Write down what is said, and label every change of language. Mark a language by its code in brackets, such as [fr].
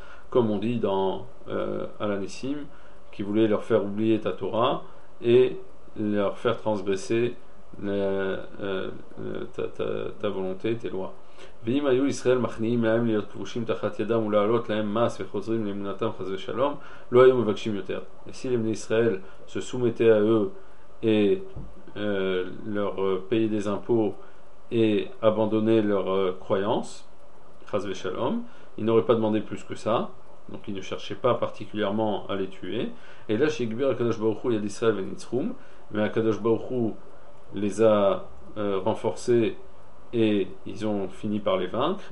[fr] comme on dit dans Al-Anissim, qui voulait leur faire oublier ta Torah et leur faire transgresser ta volonté, tes lois. [he] ואם היו ישראל מכניעים להם להיות כבושים תחת ידם ולהעלות להם מס וחוזרים לאמונתם חס ושלום, לא היו מבקשים יותר. [fr] Si les Israël se soumettaient à eux et leur payaient des impôts et abandonnaient leur croyance, chas veshalom, ils n'auraient pas demandé plus que ça, donc ils ne cherchaient pas particulièrement à les tuer. Et là, [he] Shigbir Akadosh Baruch Hu Yad Israël Venitzrum, [fr] mais Akadosh Baruch Hu les a renforcés et ils ont fini par les vaincre.